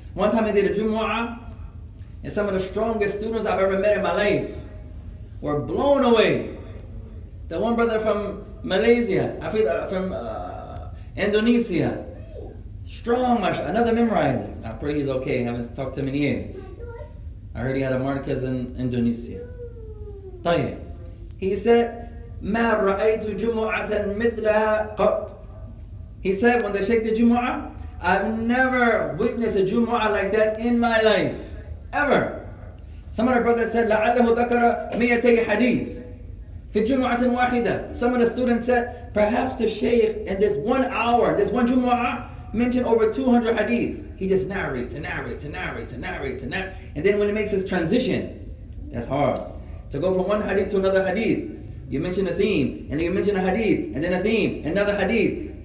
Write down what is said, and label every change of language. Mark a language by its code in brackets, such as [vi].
[en] One time he did a Jumu'ah, and some of the strongest students I've ever met in my life were blown away. The one brother from Malaysia, I feel from Indonesia, strong, mashallah, another memorizer. I pray he's okay, I haven't talked to him in years. I heard he had a marquez in Indonesia. Tayyip. He said, [ar] مَا رَأَيْتُ جُمُعَةً مِثْلَهَا قَطْ. [en] He said, when they shake the Jumu'ah, I've never witnessed a Jumu'ah like that in my life. Ever. Some of the brothers said, [ar] لَعَلَّهُ ذَكَرَ مِيَتَيْ حَدِيثِ فِي جُمُعَةٍ وَاحِدَةٍ. [en] Some of the students said, perhaps the Shaykh in this 1 hour, this one Jumu'ah, mentioned over 200 hadith. He just narrates and narrates and narrates and narrates and narrates. And then when he makes his transition, that's hard. To go from one hadith to another hadith, you mention a theme, and then you mention a hadith, and then a theme, another hadith.